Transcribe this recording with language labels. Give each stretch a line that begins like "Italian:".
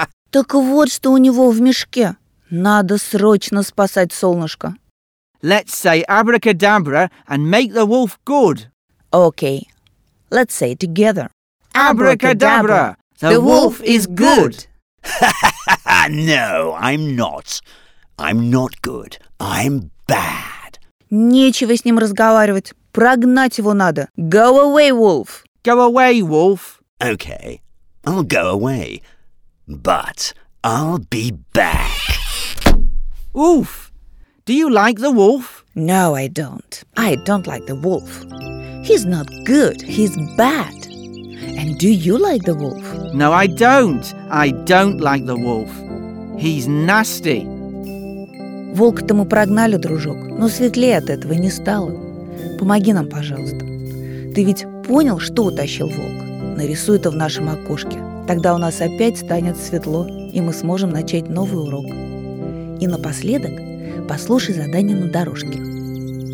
Russian: Так вот, что у него в мешке. Надо срочно спасать солнышко.
English: Let's say abracadabra and make the wolf good. Okay. Let's say it together. Abracadabra! The wolf is good! No, I'm not. I'm not good. I'm bad.
Russian: Нечего с ним разговаривать. Прогнать его надо.
English: Go away, wolf! Go away, wolf! Okay. I'll go away. But I'll be back. Oof! Do you like the wolf? No, I don't. I don't like the wolf. He's not good. He's bad. And do you like the wolf? No, I don't. I don't like the wolf. He's nasty.
Russian: Волк тому прогнали, дружок, но светлее от этого не стало. Помоги нам, пожалуйста. Ты ведь понял, что утащил волк? Нарисуй это в нашем окошке. Тогда у нас опять станет светло, и мы сможем начать новый урок. И напоследок послушай задание на дорожке.